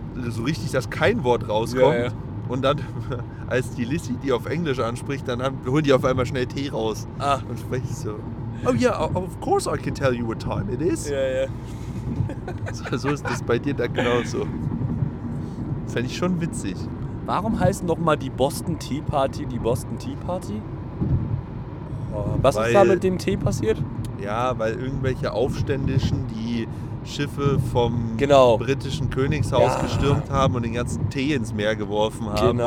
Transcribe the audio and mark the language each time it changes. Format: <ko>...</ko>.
<de>So richtig, dass kein Wort rauskommt. Ja, ja. Und dann, als die Lissi die auf Englisch anspricht, dann holen die auf einmal schnell Tee raus. Ah. Und sprechen so...</de> <en>Oh yeah, of course I can tell you what time it is.</en> <de>Ja, ja. So ist das bei dir da genauso. Das fände ich schon witzig. Warum heißt nochmal die Boston Tea Party die Boston Tea Party? Ist da mit dem Tee passiert? Ja, weil irgendwelche Aufständischen die Schiffe vom britischen Königshaus gestürmt haben und den ganzen Tee ins Meer geworfen haben.</de>